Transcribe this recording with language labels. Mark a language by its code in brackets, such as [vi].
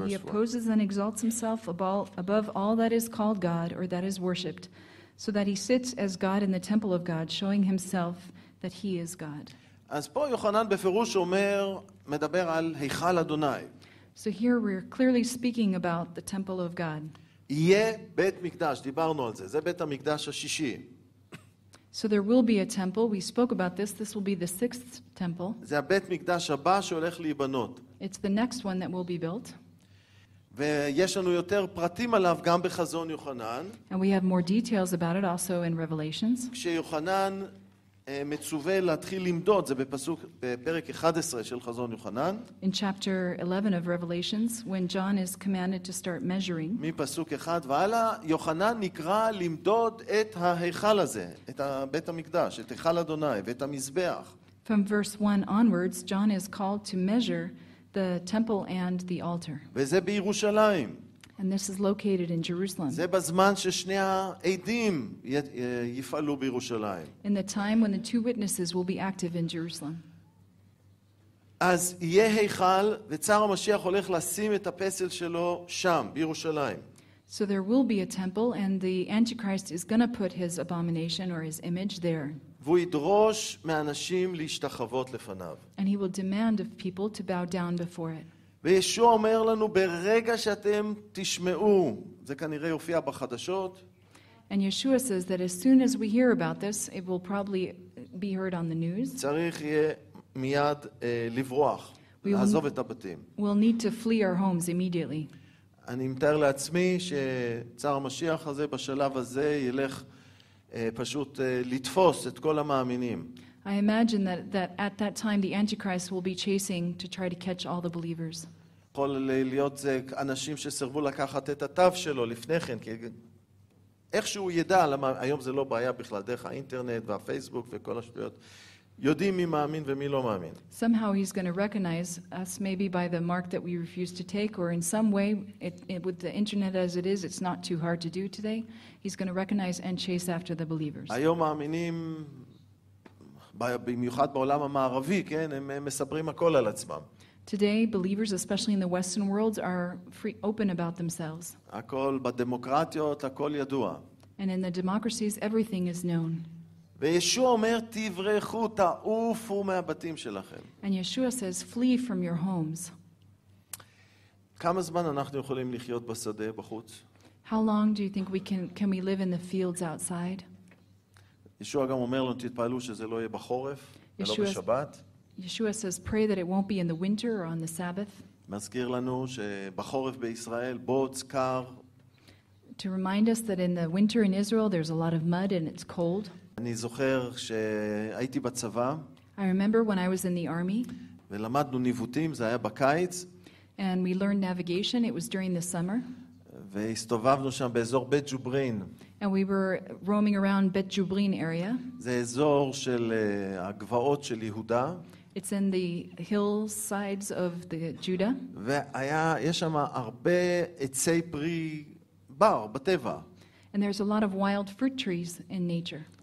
[en] He opposes and exalts himself above all that is called God or that is worshipped, so that he sits as God in the temple of God, showing himself that he is God. [he] אז פה יוחנן בפירוש אומר, מדבר על היכל אדוני. [en] So here we're clearly speaking about the temple of God. [he] יהיה בית מקדש, דיברנו על זה, זה בית המקדש השישי. [en] So there will be a temple. We spoke about this. This will be the sixth temple. [he] זה בית מקדש הבא שהולך להיבנות. [en] It's the next one that will be built. [he] ויש לנו יותר פרטים עליו גם בחזון יוחנן. [en] And we have more details about it also in Revelations. [he] כשיוחנן מצווה להתחיל למדוד, זה בפסוק בפרק 11 של חזון יוחנן. [en] In chapter 11 of Revelations, when John is commanded to start measuring. [he] מפסוק 1 והלאה, יוחנן נקרא למדוד את ההיכל הזה, את בית המקדש, את היכל אדוני ואת המזבח. [en] From verse 1 onwards, John is called to measure the temple and the altar. [he] וזה בירושלים. [en] And this is located in Jerusalem. [he] זה בזמן ששני העדים יפעלו בירושלים. [en] In the time when the two witnesses will be active in Jerusalem. [he] אז יהיה היכל, וצר המשיח הולך לשים את הפסל שלו שם, בירושלים. [en] So there will be a temple and the Antichrist is going to put his abomination or his image there. [he] והוא ידרוש מאנשים להשתחוות לפניו. [en] And he will demand of people to bow down before it. [he] וישוע אומר לנו ברגע שאתם תשמעו, זה כנראה יופיע בחדשות. [en] And Yeshua says that as soon as we hear about this, it will probably be heard on the news. [he] צריך יהיה מיד לברוח, לעזוב את הבתים. [en] We'll need to flee our homes immediately. [he] אני מתאר לעצמי שצר המשיח הזה בשלב הזה ילך פשוט לתפוס את כל המאמינים. [en] I imagine that at that time the Antichrist will be chasing to try to catch all the believers. [he] כל להיות זה אנשים שסרבו לקחת את התו שלו לפני כן, כי איכשהו ידע, למה היום זה לא בעיה בכלל דרך האינטרנט והפייסבוק וכל השטויות, יודעים מי מאמין ומי לא מאמין. [en] Somehow he's going to recognize us maybe by the mark that we refuse to take, or in some way with the internet as it is, it's not too hard to do today. He's going to recognize and chase after the believers. [he] היום מאמינים במיוחד בעולם המערבי, כן, הם מספרים הכל על עצמם. [en] Today believers especially in the western world are free open about themselves. [he] הכל בדמוקרטיות, הכל ידוע. [en] And in the democracies everything is known. [he] וישוע אומר תברחו, תעופו מהבתים שלכם. [en] And Yeshua says flee from your homes. [he] כמה זמן אנחנו יכולים לחיות בשדה בחוץ? [en] How long do you think we can we live in the fields outside? [he] ישוע גם אומר לנו תתפעלו שזה לא יהיה בחורף ולא בשבת. [en] Yeshua says pray that it won't be in the winter or on the Sabbath. [he] מזכיר לנו שבחורף בישראל בוץ קר. [en] To remind us that in the winter in Israel there's a lot of mud and it's cold. [he] אני זוכר שהייתי בצבא. [en] I remember when I was in the army. [he] ולמדנו ניווטים, זה היה בקיץ. [en] And we learned navigation, it was during the summer. [he] והסתובבנו שם באזור בית ג'וברין. [en] And we were roaming around Bet Jubrin area. [he] זה אזור של הגבעות של יהודה. [en] It's in the hillsides of the Judah. [he] והיה יש שם הרבה עצי פרי בר בטבע. [en] And there's a lot of wild fruit trees in nature.